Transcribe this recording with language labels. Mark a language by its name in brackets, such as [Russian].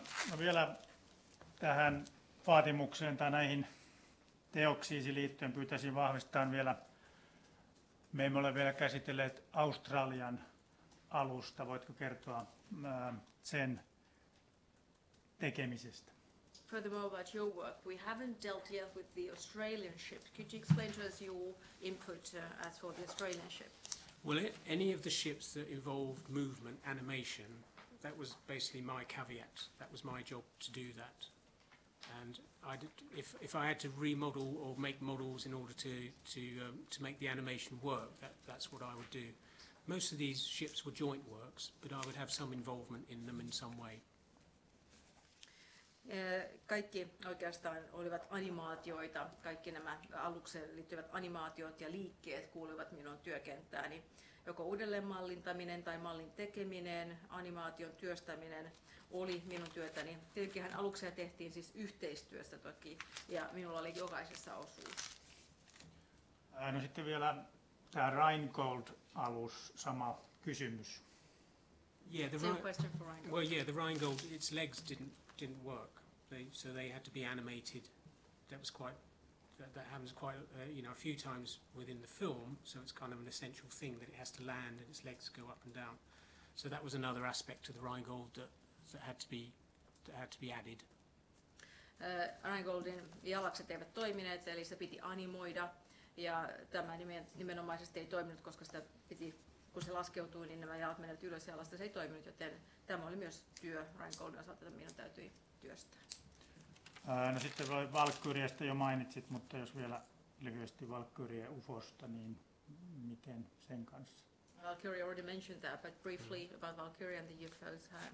[Finnish] No vielä tähän vaatimukseen tai näihin teoksiisi liittyen pyytäisin vahvistaa vielä. Me emme ole vielä käsitelleet Australian alusta. Voitko kertoa sen tekemisestä? [English] Furthermore about your work, we haven't dealt yet with the Australian ship. Could you explain to us your input as for the Australian ship? Well, any of the ships that involved movement, animation, that was basically my caveat. That was my job to do that. And if I had to remodel or make models in order to make the animation work, that's what I would do. Most of these ships were joint works, but I would have some involvement in them in some way. [Finnish] Kaikki oikeastaan olivat animaatioita. Kaikki nämä alukseen liittyvät animaatiot ja liikkeet kuuluivat minun työkenttääni. Joko uudelleenmallintaminen tai mallin tekeminen, animaation työstäminen oli minun työtäni. Tietenkin aluksia tehtiin siis yhteistyössä toki ja minulla oli jokaisessa osuus. No sitten vielä tämä Rheingold-alus, sama kysymys. [English] Yeah, the question for Rheingold. Well, yeah, the Rheingold, its legs didn't work. So they had to be animated. That happens quite a few times within the film, so it's kind of an essential thing that it has to land and its legs go up and down. So that was another aspect of the Rheingold that had to be added. [Finnish] Rheingoldin jalakset eivät toimineet, eli se piti animoida, ja tämä nimenomaisesti ei toiminut, koska sitä piti, kun se laskeutui, niin nämä jalat menivät ylös ja alas, se ei toiminut, joten tämä oli myös työ Rheingoldin osalta, että minun täytyi työstää. No sitten voi Valkyriestä jo mainitsit, mutta jos vielä lyhyesti Valkyrie UFOsta, niin miten sen kanssa? [English] Valkyrie already mentioned that, but briefly about Valkyrie and the UFOs.